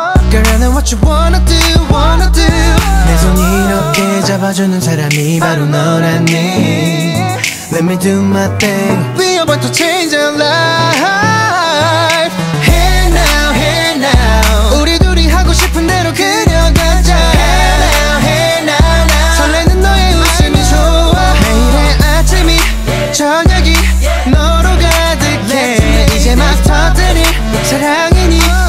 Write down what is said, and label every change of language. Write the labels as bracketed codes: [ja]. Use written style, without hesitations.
[en] Girl I know what you wanna do, wanna do. [ko] 이렇게 잡아주는 사람이 바로 너라니. [en] Let me do my thing. We are about to change our life. Here now, here now. [ko] 우리 둘이 하고 싶은 대로 그냥 가자. [en] Here now, here now, now. [ko] 설레는 너의 웃음이 좋아. 매일의 아침이 저녁이 너로 가득해. 이제 막 터뜨릴 사랑이니.